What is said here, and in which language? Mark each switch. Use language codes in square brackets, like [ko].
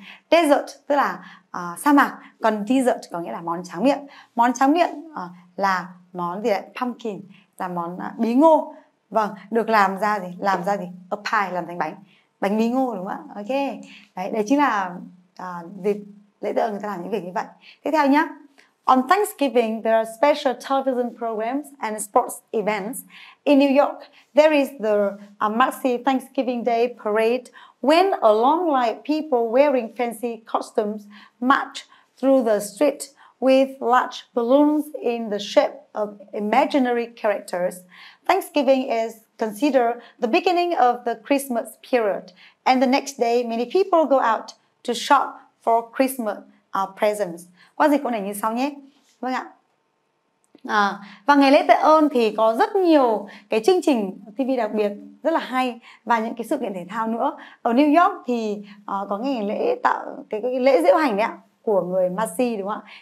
[vi] Dessert tức là sa mạc, còn dessert có nghĩa là món tráng miệng. Món tráng miệng là món gì đấy? Pumpkin, là món bí ngô. Vâng, được làm ra gì? Làm ra gì? [en] A pie, [vi] làm thành bánh. Bánh mì ngô đúng không ạ? Ok. Đấy, đấy chính là dịp lễ tạ ơn người ta làm những việc như vậy. Tiếp theo nhé. [en] On Thanksgiving, there are special television programs and sports events. In New York, there is the Maxi Thanksgiving Day Parade, when a long line of people wearing fancy costumes march through the street with large balloons in the shape of imaginary characters. Thanksgiving is considered the beginning of the Christmas period, and the next day, many people go out to shop for Christmas presents. [vi] Qua dịch câu này như sau nhé. Vâng ạ. À, và ngày lễ tạ ơn thì có rất nhiều cái chương trình TV đặc biệt rất là hay và những cái sự kiện thể thao nữa. Ở New York thì có ngày lễ tạo cái lễ diễu hành đấy ạ, của người Macy đúng không ạ?